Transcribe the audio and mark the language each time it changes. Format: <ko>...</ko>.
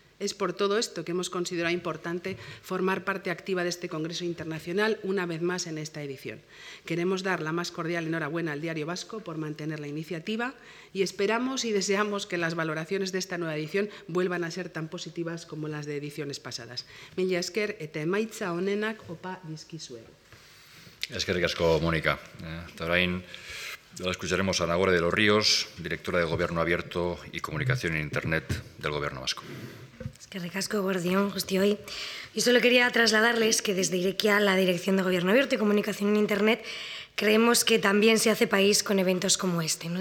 <es>Es por todo esto que hemos considerado importante formar parte activa de este Congreso Internacional una vez más en esta edición. Queremos dar la más cordial enhorabuena al Diario Vasco por mantener la iniciativa y esperamos y deseamos que las valoraciones de esta nueva edición vuelvan a ser tan positivas como las de ediciones pasadas.</es> <eu>Mila esker eta emaitza onenak opa dizkizuegu. Eskerrik asko, Mónica. Orain</eu> <es>escucharemos a Nagore de los Ríos, directora de Gobierno Abierto y Comunicación en Internet del Gobierno Vasco. Que recasco, Gordión, justo hoy. Yo solo quería trasladarles que desde Irekia, la Dirección de Gobierno Abierto y Comunicación en Internet, creemos que también se hace país con eventos como este, ¿no?</es>